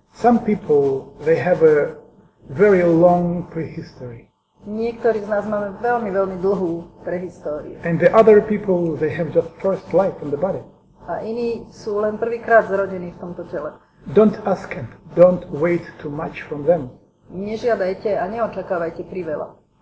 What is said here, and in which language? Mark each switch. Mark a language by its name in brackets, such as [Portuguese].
[English] Some people, they have a very long prehistory. [Slovak] Niektorí z nás máme veľmi, veľmi dlhú prehistóriu. [English] And the other people, they have just first life in the body. [Slovak] A iní sú len prvýkrát zrodení v tomto tele. [English] Don't ask them. Don't wait too much from them. [Slovak] Nežiadajte a neočakávajte priveľa.